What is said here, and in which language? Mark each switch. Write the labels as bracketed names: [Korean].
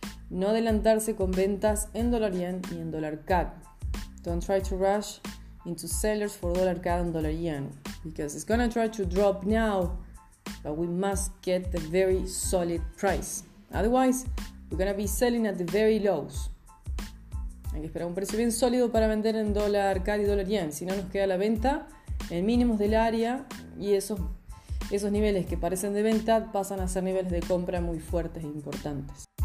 [Spanish] No adelantarse con ventas en dólar yen y en dólar CAD. [English] Don't try to rush into sellers for dólar CAD and dólar yen, because it's gonna try to drop now, but we must get a very solid price. Otherwise, we're gonna be selling at the very lows. [Spanish] Hay que esperar un precio bien sólido para vender en dólar CAD y dólar yen. Si no, nos queda la venta en mínimos del área y esos niveles que parecen de venta pasan a ser niveles de compra muy fuertes e importantes.